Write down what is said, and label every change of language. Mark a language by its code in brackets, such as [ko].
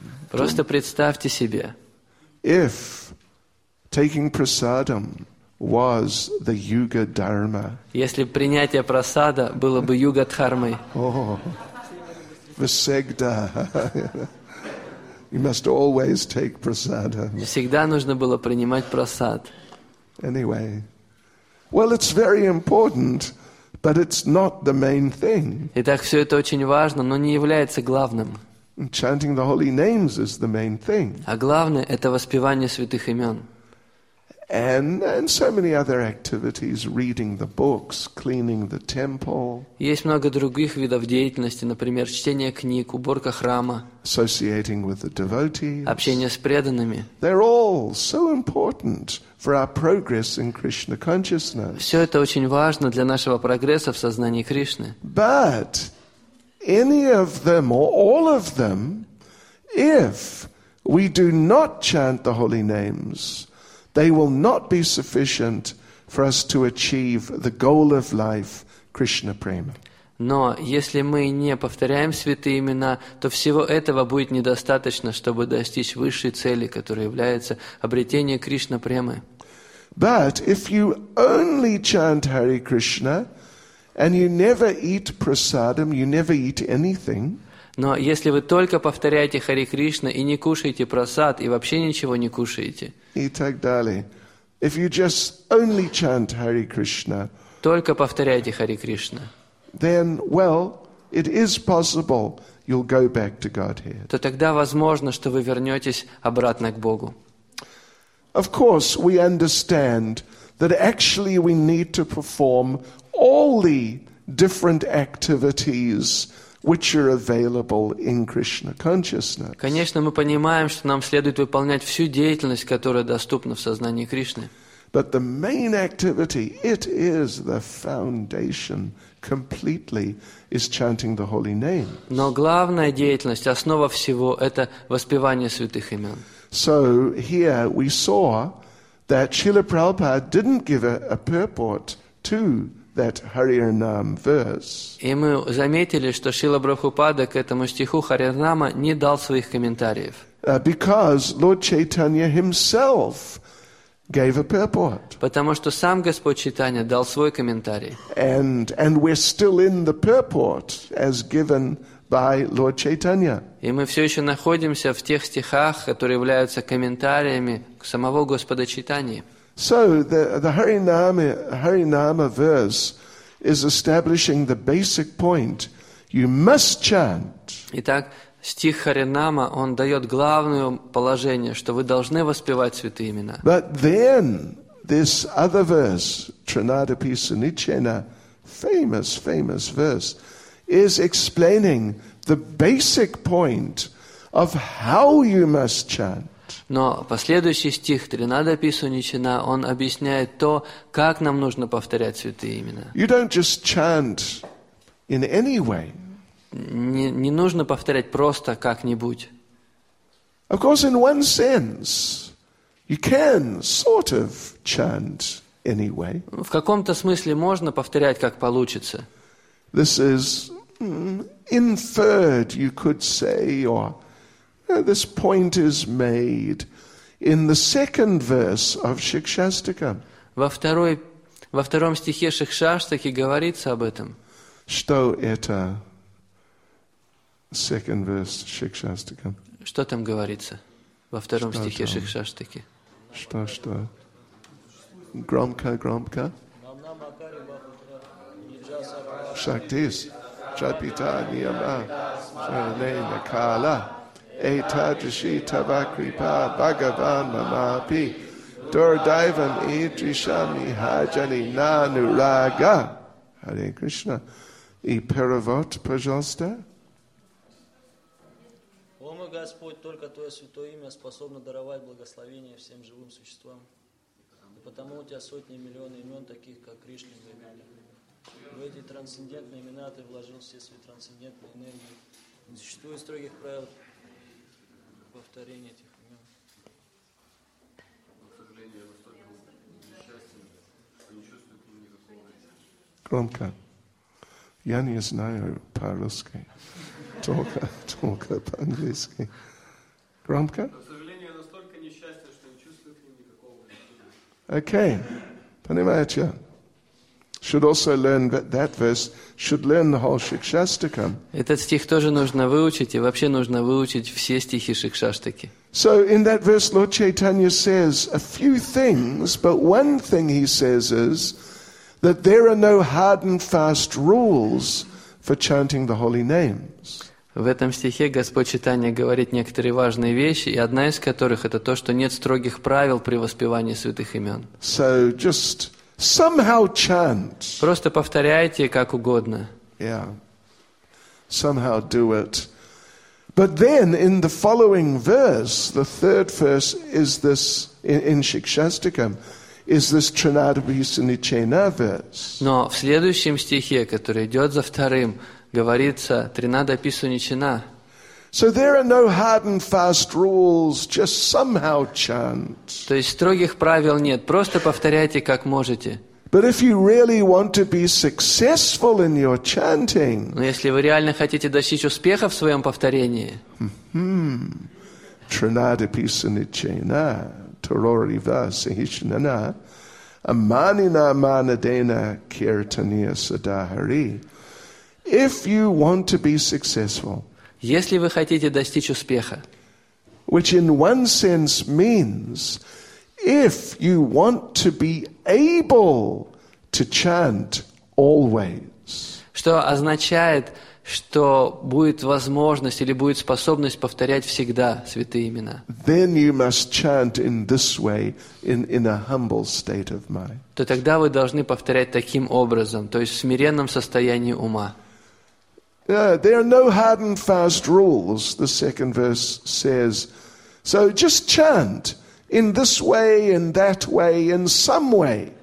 [ru] Просто представьте себе. [en] If taking prasadam was the yuga dharma. [ru] Если принятие прасада было бы юга дхармой. Oh, visegda. [en] You must always take prasadam. [ru] Всегда нужно было принимать прасад. [en] Anyway, well, it's very important, but it's not the main thing. [ru] Итак, все это очень важно, но не является главным. [en] Chanting the holy names is the main thing. [ru] А главное – это воспевание святых имен. [en] And so many other activities, reading the books, cleaning the temple. [ru] Есть много других видов деятельности, например, чтение книг, уборка храма. [en] Associating with the devotees. [ru] Общение с преданными. [en] They're all so important for our progress in Krishna consciousness. [ru] Все это очень важно для нашего прогресса в сознании Кришны. [en] But any of them or all of them, if we do not chant the holy names, they will not be sufficient for us to achieve the goal of life, Krishna prema. [ru] Но если мы не повторяем святые имена, то всего этого будет недостаточно, чтобы достичь высшей цели, которая является обретение Кришна премы. [en] But if you only chant Hare Krishna and you never eat prasadam, you never eat anything. [ru] Но если вы только повторяете Хари Кришна и не кушаете прасад и вообще ничего не кушаете. И так далее. [en] If you just only chant Hare Krishna. [ru] Только повторяете Хари Кришна. [en] Then, well, it is possible you'll go back to Godhead. [ru] То тогда возможно, что вы вернетесь обратно к Богу. [en] Of course, we understand that actually we need to perform all the different activities which are available in Krishna consciousness. [ru] Конечно, мы понимаем, что нам следует выполнять всю деятельность, которая доступна в сознании Кришны. [en] But the main activity, it is the foundation completely, is chanting the holy name. [ru] Но главная деятельность, основа всего, это воспевание святых имен. [en] So here we saw that Srila Prabhupada didn't give a purport to that Harinam verse. [ru] И мы заметили, что Шрила Прабхупада к этому стиху Харинама не дал своих комментариев. [en] Because Lord Chaitanya himself gave a purport. [ru] Потому что сам Господь Чайтанья дал свой комментарий. [en] And we're still in the purport as given by Lord Chaitanya. [ru] И мы все еще находимся в тех стихах, которые являются комментариями к самого Господа Чайтаньи. [en] So the Harinama verse is establishing the basic point. You must chant. [ru] Итак, стих Харинама, он дает главное положение, что вы должны воспевать святые имена. [en] But then this other verse, Trinadipi Sunichena, famous verse, is explaining the basic point of how you must chant. [ru] Но последующий стих Тринадапи Суничина, он объясняет то, как нам нужно повторять святые имена. [en] You don't just chant in any way. [ru] Не нужно повторять просто как-нибудь. [en] Of course, in one sense, you can sort of chant anyway. [ru] В каком-то смысле можно повторять, как получится. [en] This is inferred, you could say, or this point is made in the second verse of Shikshastika. [ru] Во втором стихе Шикшаштаки говорится об этом. Что это? [en] Second verse Shikshastika. [ru] Что там говорится во втором стихе Шикшаштаки? Что? Громко. [sa] Шактис. Чапита Ниама. Шарнейна Кала. Etadrishi tavakripa bhagavan mamapi durdaivam idrishami hajani nanuraga. Hare Krishna. [ru] E perivot, пожалуйста. Ома Господь, только Твое святое имя способно даровать благословение всем живым существам. И потому у Тебя сотни миллионов имен, таких как Кришна и Гавинда. В эти трансцендентные имена Ты вложил все свои трансцендентные энергии. Не существует строгих правил повторения этих имен. Но, к сожалению, я настолько несчастен, что не чувствую к ним никакого влияния. Громко. Я не знаю по-русски, только по-английски. Громко? К сожалению, я настолько несчастен, что не чувствую к ним никакого влияния. Окей. Понимаете? [en] Should also learn that verse. Should learn the whole Shikshastakam. [ru] Этот стих тоже нужно выучить, и вообще нужно выучить все стихи Шикшаштаки. [en] So in that verse, Lord Chaitanya says a few things, but one thing he says is that there are no hard and fast rules for chanting the holy names. [ru] В этом стихе Господь Читания говорит некоторые важные вещи, и одна из которых это то, что нет строгих правил при воспевании святых имен. [en] So just somehow chant. [ru] Просто повторяйте как угодно. [en] Yeah. Somehow do it. But then in the following verse, the third verse is this in Shikshastakam, is this Trinadvisanichena verse. [ru] Но в следующем стихе, который идет за вторым, говорится Тринадаписуничена. [en] So there are no hard and fast rules, just somehow chant. [ru] То есть строгих правил нет, просто повторяйте как можете. [en] But if you really want to be successful in your chanting. [ru] Но если вы реально хотите достичь успеха в своем повторении. [sa] Trinadapisanichena torori vasihishnana amanina manadena kirtaniya sadahari. [en] If you want to be successful. [ru] Если вы хотите достичь успеха, [en] which in one sense means if you want to be able to chant always, [ru] что означает, что будет возможность или будет способность повторять всегда святые имена, [en] then you must chant in this way in a humble state of mind. [ru] То тогда вы должны повторять таким образом, то есть в смиренном состоянии ума. [en] Yeah, there are no hard and fast rules, the second verse says. So just chant in this way, in that way, in some way.